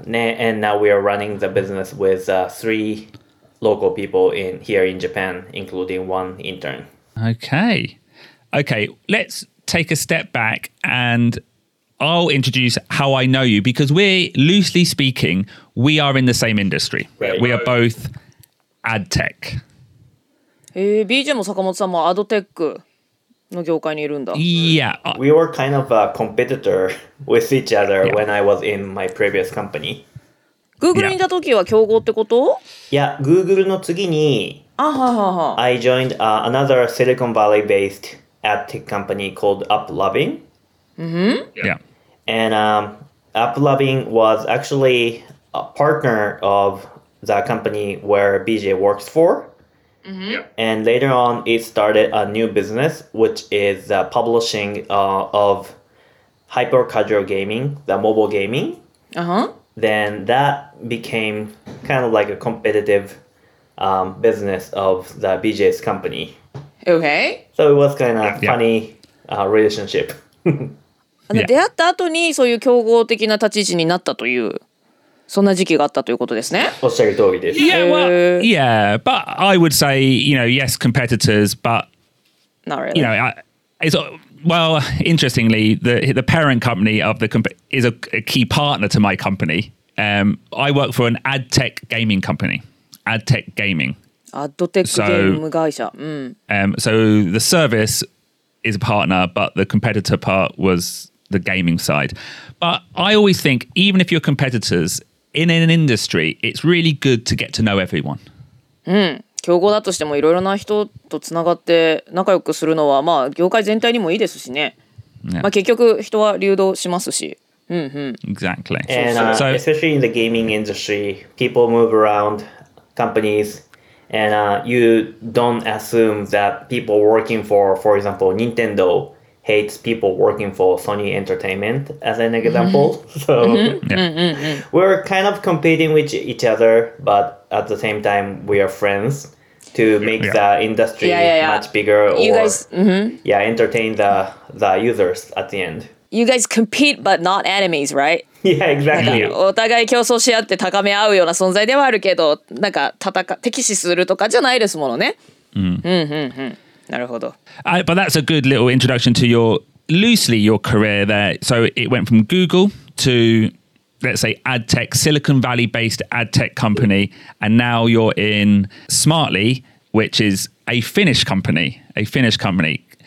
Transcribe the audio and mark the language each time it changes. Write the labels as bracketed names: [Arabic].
[English] And now we are running the business with three local people here in Japan, including one intern. Okay. Okay. Let's take a step back and I'll introduce how I know you because we're, loosely speaking, we are in the same industry. Right. We are both ad tech. [Japanese] BJ も坂本さんもアドテックの業界にいるんだ。 Yeah. [English] We were kind of a competitor with each other when I was in my previous company. [Japanese] Google にいた時は競合ってこと? [English] Yeah, Google [Japanese] の次に [English] I joined another Silicon Valley based ad tech company called UpLoving. Mm-hmm. Yeah. And UpLoving was actually a partner of the company where BJ works for. Mm-hmm. Yep. And later on, it started a new business, which is the publishing of hyper-casual gaming, the mobile gaming. Uh-huh. Then that became kind of like a competitive business of the BJ's company. Okay. So it was kind of funny relationship. [Japanese] 出会った後にそういう競合的な立ち位置になったという。そんな時期があったということですね。おっしゃる通りです。 [English] Yeah, well, yeah, but I would say, you know, yes, competitors, but not really. You know, well, interestingly, the parent company of the company is a key partner to my company. I work for an ad tech gaming company. Ad tech gaming. Ad tech game 会社。 So the service is a partner, but the competitor part was. The gaming side. But I always think, even if you're competitors in an industry, it's really good to get to know everyone. うん。 [Japanese] 競合だとしてもいろいろな人とつながって仲良くするのは、まあ、業界全体にもいいですしね。 Yeah. まあ、結局、人は流動しますし。うんうん。 [English] Exactly. And, so, especially in the gaming industry, people move around companies, and you don't assume that people working for example, Nintendo,hates people working for Sony Entertainment, as an example. So we're kind of competing with each other, but at the same time, we are friends to make the industry much bigger you or guys,、 yeah, entertain the users at the end. You guys compete, but not enemies, right? Yeah, exactly. [Japanese] お互い競争し合って高め合うような存在ではあるけど、なんか敵視するとかじゃないですものね。なるほど。 [English] But that's a good little introduction to your, loosely, your career there. So it went from Google to, let's say, ad tech, Silicon Valley-based ad tech company. And now you're in Smartly, which is a Finnish company, a Finnish company.